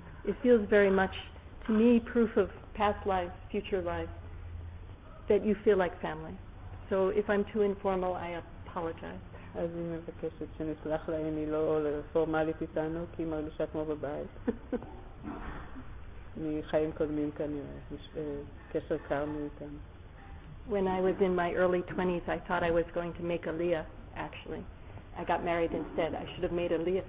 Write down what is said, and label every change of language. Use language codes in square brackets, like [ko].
[en] It feels very much to me proof of past life, future life, that you feel like family. So if I'm too informal, I apologize. [he] אז היא מבקשת שנסלח לה אם היא לא פורמלית איתנו, כי היא מרגישה כמו בבית. מחיים קודמים כנראה, קשר קרמי איתנו. [en] When I was in my early 20s, I thought I was going to make Aliyah, actually. I got married instead. I should have made Aliyah.